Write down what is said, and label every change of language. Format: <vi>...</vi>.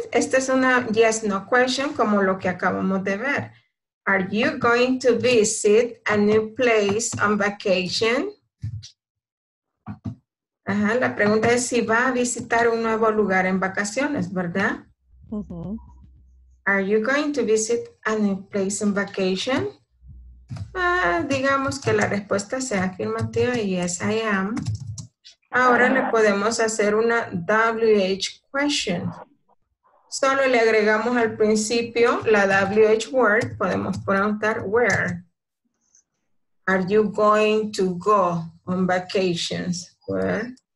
<es>Esta es una yes, no question, como lo que acabamos de ver.</es> <en>Are you going to visit a new place on vacation?</en> <es>Ajá, la pregunta es si va a visitar un nuevo lugar en vacaciones, ¿verdad? Uh-huh.</es> <en>Are you going to visit a new place on vacation?</en> <es>Ah, digamos que la respuesta sea afirmativa,</es> <en>yes, I am.</en> <es>Ahora le podemos hacer una WH question. Solo le agregamos al principio la WH word. Podemos preguntar</es> <en>where. Are you going to go on vacations? Where?</en>